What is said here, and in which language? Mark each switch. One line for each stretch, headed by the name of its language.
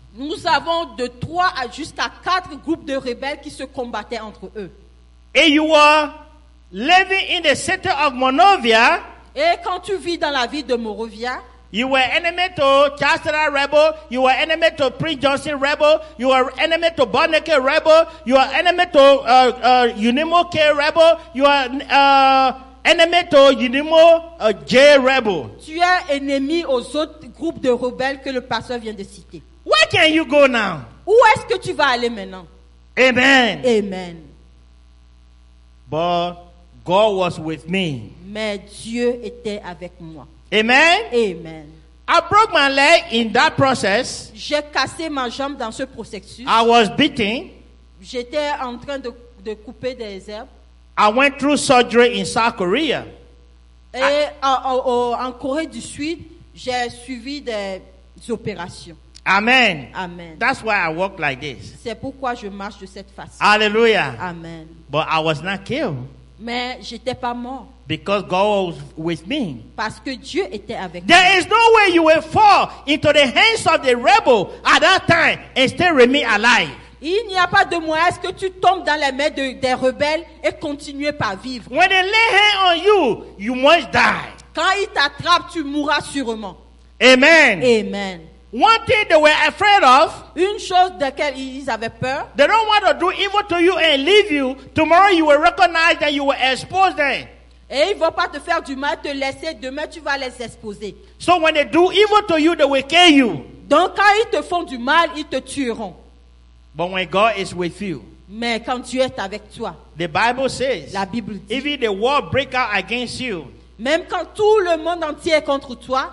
French: Nous avons de 3 à jusqu'à 4 groupes de rebelles qui se combattaient entre eux.
English: And you were living in the city of Monrovia.
French: Et quand tu vis dans la ville de Monrovia,
English: you were enemy to Chastra rebel, you were enemy to Prince Johnson rebel, you were enemy to Bonneke rebel, you are enemy to Unimoke rebel, you are enemy to Unimo J rebel.
French: Tu es ennemi aux autres groupes de rebelles que le pasteur vient de citer.
English: Where can you go now?
French: Où est-ce que tu vas aller maintenant?
English: Amen. Amen. But God was with me.
French: Mais Dieu était avec moi.
English: Amen. Amen. I broke my leg in that process.
French: J'ai cassé ma jambe dans ce processus.
English: I was beaten.
French: J'étais en train de couper des herbes.
English: I went through surgery in South Korea.
French: Et en Corée du Sud, j'ai suivi des opérations.
English: Amen. Amen. That's why I walk like this.
French: C'est pourquoi je marche de cette façon.
English: Hallelujah. Amen. But I was not killed.
French: Mais j'étais pas mort.
English: Because God was with me.
French: Parce que Dieu était avec
English: there
French: moi.
English: Is no way you will fall into the hands of the rebel at that time and still remain alive.
French: Il n'y a pas de moyen que tu tombes dans les mains des rebelles et continuer par vivre.
English: When they lay hands on you, you must die.
French: Quand ils t'attrapent, tu mourras sûrement.
English: Amen. Amen. One thing they were afraid of.
French: Une chose de laquelle ils avaient peur.
English: They don't want to do evil to you and leave you. Tomorrow you will recognize that you will expose them.
French: Et ils ne vont pas te faire du mal, te laisser. Demain, tu vas les exposer.
English: So when they do evil to you, they will kill you.
French: Donc quand ils te font du mal, ils te tueront.
English: But when God is with you.
French: Mais quand Dieu est avec toi.
English: The Bible says.
French: La Bible dit.
English: Even the world break out against you.
French: Même quand tout le monde entier est contre toi,